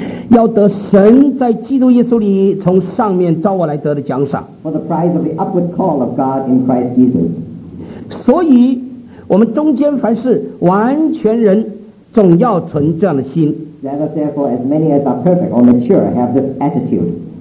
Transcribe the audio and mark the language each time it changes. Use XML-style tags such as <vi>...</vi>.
<zh>要得神在基督耶稣里从上面召我来得的奖赏。</zh> <en>For the prize of the upward call of God in Christ Jesus.</en> <zh>所以我们中间凡是完全人总要存这样的心。</zh> <en>Therefore, as many as are perfect or mature have this attitude.</en>